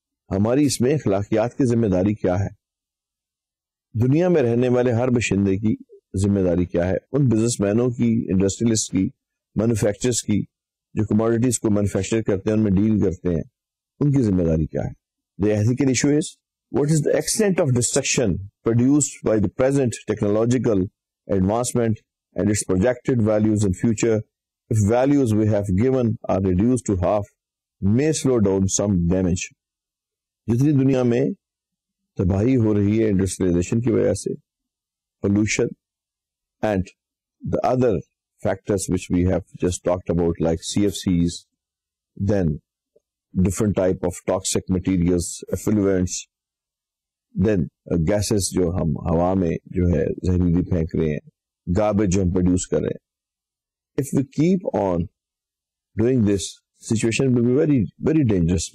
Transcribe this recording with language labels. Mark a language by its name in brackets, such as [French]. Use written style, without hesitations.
[Urdu] ہماری اس میں اخلاقیات کی ذمہ داری کیا ہے, دنیا میں رہنے والے ہر باشندے کی ذمہ داری کیا ہے, ان بزنس مینوں کی, انڈسٹریلسٹ کی, مینوفیکچرس کی جو کموڈیٹیز کو مینوفیکچر کرتے ہیں, ان میں ڈیل کرتے ہیں, ان کی ذمہ داری کیا ہے. [English] The ethical issue is, what is the extent of destruction produced by the present technological advancement and its projected values in future, if values we have given are reduced to half, may slow down some damage. [Urdu] جتنی دنیا میں تباہی ہو رہی ہے industrialisation کی وجہ سے, [English] pollution and the other factors which we have just talked about like CFCs, then different type of toxic materials, effluents, then gases [Urdu] جو ہم ہوا میں جو ہے زہریلی پھینک رہے ہیں, [English] garbage [Urdu] جو ہم پروڈیوس کر رہے ہیں, [English] if we keep on doing this situation will be very very dangerous.